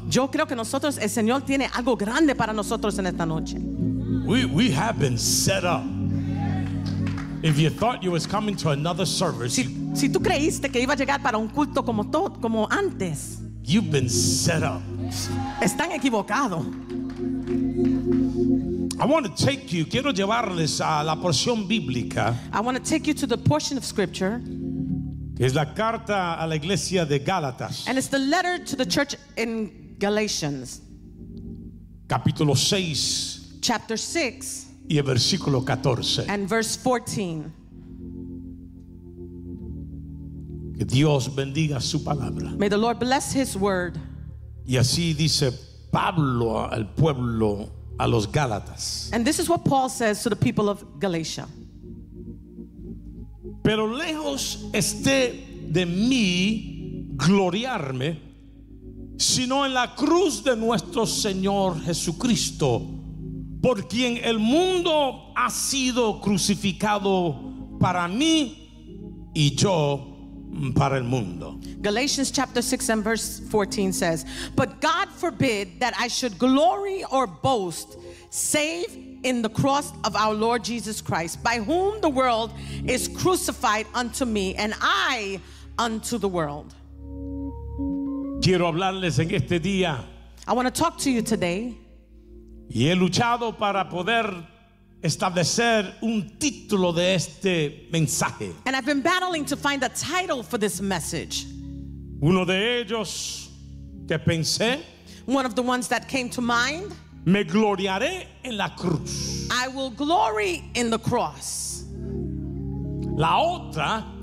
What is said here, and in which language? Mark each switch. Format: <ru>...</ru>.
<es>Yo creo que nosotros, el Señor tiene algo grande para nosotros en esta noche.</es> <en>We have been set up. If you thought you was coming to another service,</en> <es>si tú creíste que iba a llegar para un culto como antes,</es> <en>you've been set up.</en> <es>Están equivocados.</es> <en>I want to take you,</en> <es>quiero llevarles a la porción bíblica.</es> <en>I want to take you to the portion of scripture.</en> <es>Es la carta a la iglesia de Gálatas.</es> <en>And it's the letter to the church in Galatians.</en> <es>Capítulo 6.</es> <en>Chapter 6.</en> <es>Y el versículo 14.</es> <en>And verse 14.</en> <es>Que Dios bendiga su palabra.</es> <en>May the Lord bless his word.</en> <es>Y así dice Pablo al pueblo, a los Gálatas.</es> <en>And this is what Paul says to the people of Galatia.</en> <es>Pero lejos esté de mí gloriarme, sino en la cruz de nuestro Señor Jesucristo, por quien el mundo ha sido crucificado para mí y yo para el mundo.</es> <en>Galatians chapter 6 and verse 14 says, "But God forbid that I should glory or boast save in the cross of our Lord Jesus Christ, by whom the world is crucified unto me and I unto the world."</en> <es>Quiero hablarles en este día.</es> <en>I want to talk to you today.</en> <es>Y he luchado para poder establecer un título de este mensaje.</es> <en>And I've been battling to find a title for this message.</en> <es>Uno de ellos que pensé,</es> <en>one of the ones that came to mind,</en> <es>me gloriaré en la cruz.</es> <en>I will glory in the cross.</en> <es>La otra,</es>